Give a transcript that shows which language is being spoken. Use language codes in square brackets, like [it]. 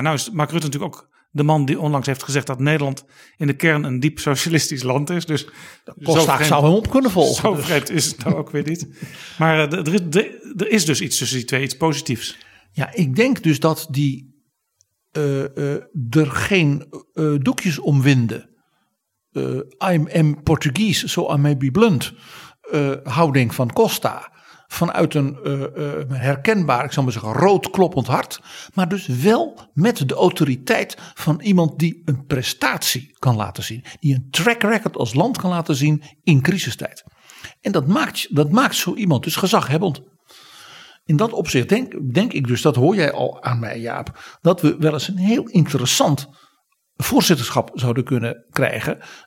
[nl] Nou is Mark Rutte natuurlijk ook de man die onlangs heeft gezegd dat Nederland in de kern een diep socialistisch land is. Dus Costa zou hem op kunnen volgen. Zo vreemd is het nou ook weer niet. Maar er is dus iets tussen die twee, iets positiefs. Ja, ik denk dus dat die er geen doekjes om winden. [en] I'm Portuguese, so I may be blunt. [nl] Houding van Costa. Vanuit een herkenbaar, ik zal maar zeggen, rood kloppend hart. Maar dus wel met de autoriteit van iemand die een prestatie kan laten zien. Die een track record als land kan laten zien in crisistijd. En dat maakt zo iemand dus gezaghebbend. In dat opzicht denk ik dus, dat hoor jij al aan mij, Jaap, dat we wel eens een heel interessant voorzitterschap zouden kunnen krijgen.